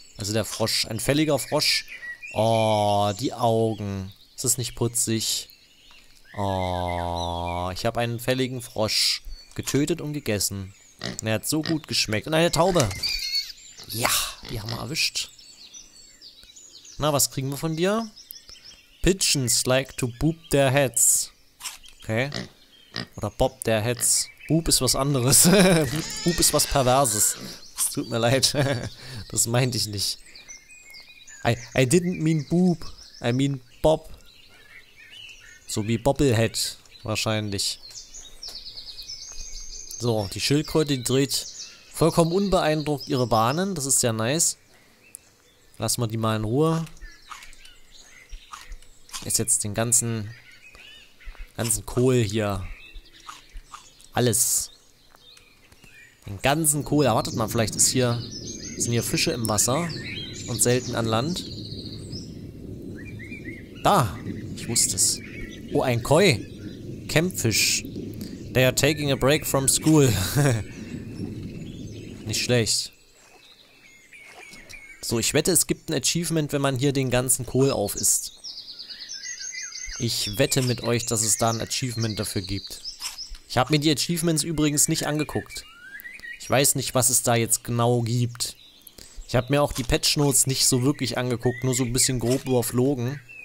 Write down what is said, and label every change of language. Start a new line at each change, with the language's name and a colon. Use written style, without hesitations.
German: Also der Frosch. Ein fälliger Frosch. Oh, die Augen. Ist das nicht putzig? Oh, ich habe einen fälligen Frosch getötet und gegessen. Er hat so gut geschmeckt. Und eine Taube. Ja, die haben wir erwischt. Na, was kriegen wir von dir?
English: Pigeons like to boop their heads.
German: Okay. Oder
English: bob their heads.
German: Boop ist was anderes. Boop ist was Perverses. Es tut mir leid. Das meinte ich nicht.
English: I didn't mean boop. I mean bob.
German: So wie Bobblehead wahrscheinlich. So, die Schildkröte, die dreht vollkommen unbeeindruckt ihre Bahnen. Das ist ja nice. Lassen wir die mal in Ruhe. Ist jetzt den ganzen Kohl hier. Alles. Den ganzen Kohl. Erwartet mal, vielleicht ist hier, sind hier Fische im Wasser. Und selten an Land. Da! Ich wusste es. Oh, ein Koi. Kempfisch.
English: They are taking a break from school.
German: Nicht schlecht. So, ich wette, es gibt ein Achievement, wenn man hier den ganzen Kohl aufisst. Ich wette mit euch, dass es da ein Achievement dafür gibt. Ich habe mir die Achievements übrigens nicht angeguckt. Ich weiß nicht, was es da jetzt genau gibt. Ich habe mir auch die Patch Notes nicht so wirklich angeguckt, nur so ein bisschen grob überflogen.